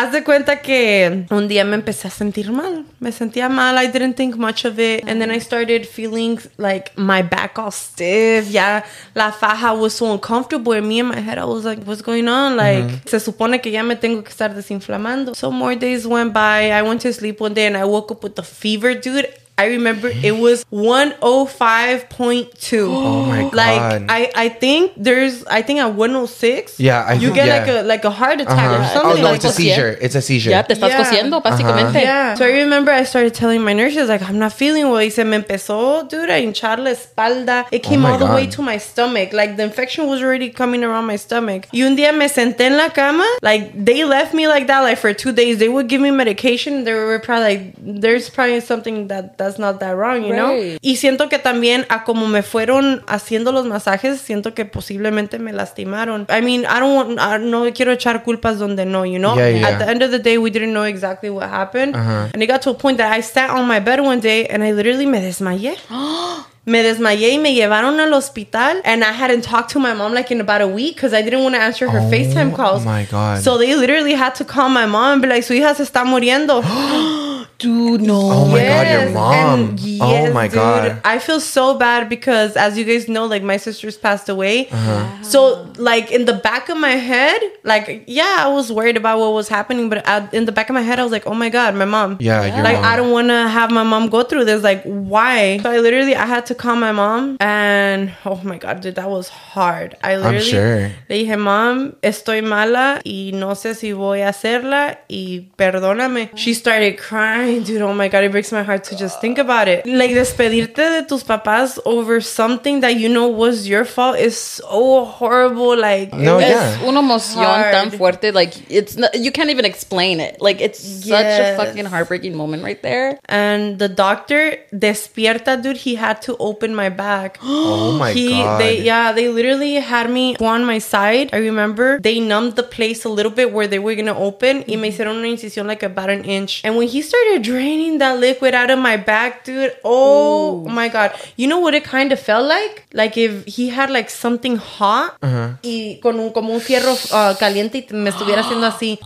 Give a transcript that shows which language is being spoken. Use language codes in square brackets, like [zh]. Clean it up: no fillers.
[es] Haz de cuenta que un día me empecé a sentir mal. Me sentía mal. [en] I didn't think much of it. And then I started feeling like my back all stiff. Yeah, la faja was so uncomfortable. And me in my head, I was like, what's going on? [es] Like, mm-hmm. se supone que ya me tengo que estar desinflamando. [en] So more days went by. I went to sleep one day and I woke up with a fever, dude. I remember it was 105.2. Oh my god. Like I think at 106, yeah, you get like a heart attack, uh-huh. or something. Oh no, it's a seizure. It's a seizure. [es] Yeah, te estás cosiendo, básicamente. [en] Uh-huh. Yeah. So I remember I started telling my nurses, like, I'm not feeling well. [es] Y se me empezó, dude, a hinchar la espalda. [en] It came all the way to my stomach. Like the infection was already coming around my stomach. [es] Y un día me senté en la cama. [en] Like they left me like that, like for 2 days. They would give me medication. They were probably like, there's probably something that's not that wrong, you know? [es] Y siento que también a como me fueron haciendo los masajes, siento que posiblemente me lastimaron. [en] I mean, [es] no quiero echar culpas donde no, [en] you know? Yeah, yeah. At the end of the day, we didn't know exactly what happened. Uh-huh. And it got to a point that I sat on my bed one day and I literally [es] me desmayé. Me desmayé y me llevaron al hospital. [en] And I hadn't talked to my mom like in about a week because I didn't want to answer her FaceTime calls. Oh my God. So they literally had to call my mom and be like, [es] su hija se está muriendo. [en] Dude, no. Oh my God, your mom. Yes, oh my God. I feel so bad because, as you guys know, like my sister's passed away. Uh-huh. Wow. So, like, in the back of my head, like, yeah, I was worried about what was happening, but in the back of my head, I was like, oh my God, my mom. Yeah, yeah. Your like, mom. I don't want to have my mom go through this. Like, why? So, I had to call my mom, and oh my God, dude, that was hard. [es] Le dije, mom, estoy mala, y no sé si voy a hacerla, y perdóname. [en] She started crying. Dude, oh my God, it breaks my heart to just think about it. Like, [es] despedirte de tus papás [en] over something that you know was your fault is so horrible. Like, no, it's yeah. [es] una emoción tan fuerte. [en] Like, it's not, you can't even explain it. Like, it's such a fucking heartbreaking moment right there. And the doctor, despierta, dude, he had to open my back. Oh my God. They literally had me on my side. I remember they numbed the place a little bit where they were going to open. Mm-hmm. [es] Y me hicieron una incisión [en] like about an inch. And when he started draining that liquid out of my back, dude. Oh, ooh. My God. You know what it kind of felt like? Like if he had like something hot [es] y con un, como un fierro caliente y me estuviera haciendo así.